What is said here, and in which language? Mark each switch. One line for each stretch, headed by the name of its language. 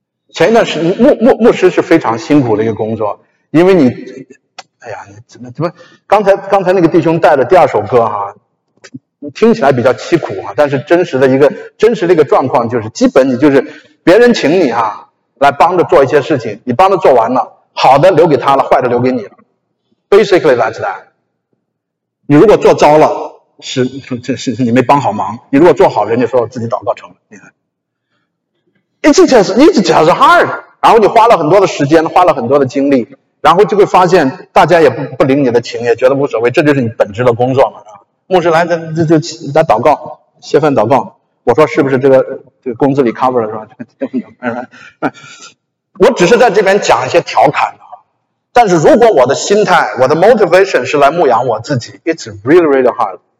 Chinese: 前一段时间 牧师是非常辛苦的一个工作，因为你哎呀你怎么刚才那个弟兄带的第二首歌啊，听起来比较凄苦啊，但是真实的一个状况就是，基本你就是别人请你啊来帮着做一些事情，你帮着做完了，好的留给他了，坏的留给你了。
English: Basically like that.
Chinese: 你如果做糟了，是你没帮好忙，你如果做好，人家说自己祷告成了。你看
English: It's just hard.
Chinese: 然后你花了很多的时间，花了很多的精力，然后就会发现大家也不领你的情，也觉得无所谓，这就是你本职的工作嘛。牧师来，就祷告，歇饭祷告。我说是不是这个工资里 cover 了是吧？我只是在这边讲一些调侃的，但是如果我的心态，我的 motivation 是来牧养我自己 ，
English: it's really really hard.